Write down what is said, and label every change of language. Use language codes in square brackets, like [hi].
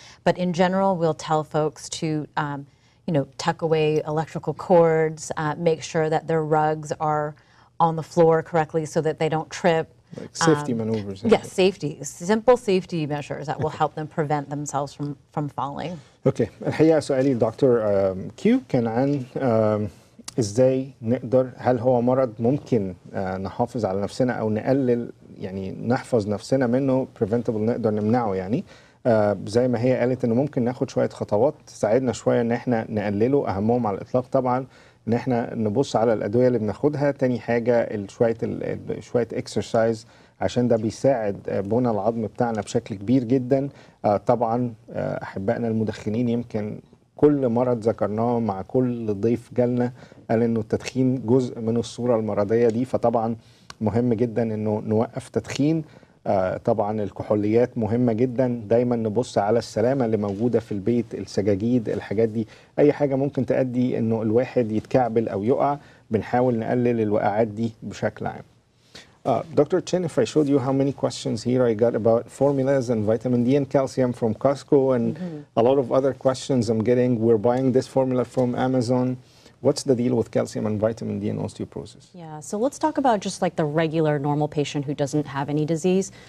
[en] But in general, we'll tell folks to tuck away electrical cords, make sure that their rugs are on the floor correctly so that they don't trip. Like safety maneuvers. Yes, safety. Simple safety measures that will help them prevent themselves from falling. Okay. [ar] الحقيقة سؤالي لدكتور كيو كان عن ازاي نقدر هل هو مرض ممكن نحافظ على نفسنا او نقلل نحفظ نفسنا منه preventable نقدر نمنعه زي ما هي قالت انه ممكن ناخد شوية خطوات تساعدنا شوية ان احنا نقلله اهمهم على الاطلاق طبعا ان احنا نبص على الادوية اللي بناخدها تاني حاجة شوية exercise عشان ده بيساعد بنى العظم بتاعنا بشكل كبير جدا طبعا احبائنا المدخنين يمكن كل مرض ذكرناه مع كل ضيف جالنا قال انه التدخين جزء من الصورة المرضية دي فطبعا مهم جدا انه نوقف تدخين طبعا الكحوليات مهمة جدا دايما نبص على السلامة اللي موجودة في البيت السجاجيد الحاجات دي اي حاجة ممكن تؤدي انه الواحد يتكعبل او يقع بنحاول نقلل الوقعات دي بشكل عام Dr. [en] Chen, if I showed you how many questions here I got about formulas and vitamin D and calcium from Costco and mm-hmm. a lot of other questions I'm getting, we're buying this formula from Amazon, What's the deal with calcium and vitamin D and osteoporosis? Yeah, so let's talk about just like the regular normal patient who doesn't have any disease.